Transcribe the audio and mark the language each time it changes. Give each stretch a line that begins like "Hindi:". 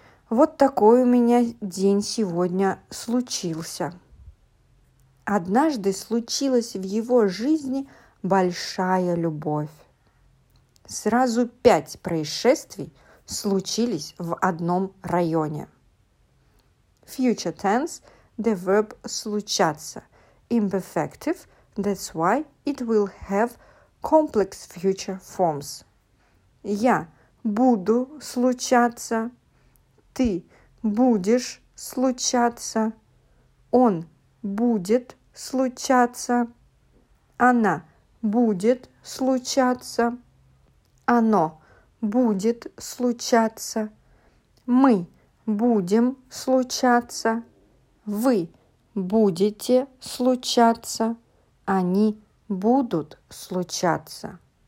Russian: Вот такой у меня день сегодня случился. Однажды случилась в его жизни большая любовь. Сразу 5 происшествий случились в одном районе.
English: Future tense – the verb «случаться». Imperfective – that's why it will have complex future forms.
Russian: Я буду случаться. Ты будешь случаться, он будет случаться, она будет случаться, оно будет случаться, мы будем случаться, вы будете случаться, они будут случаться.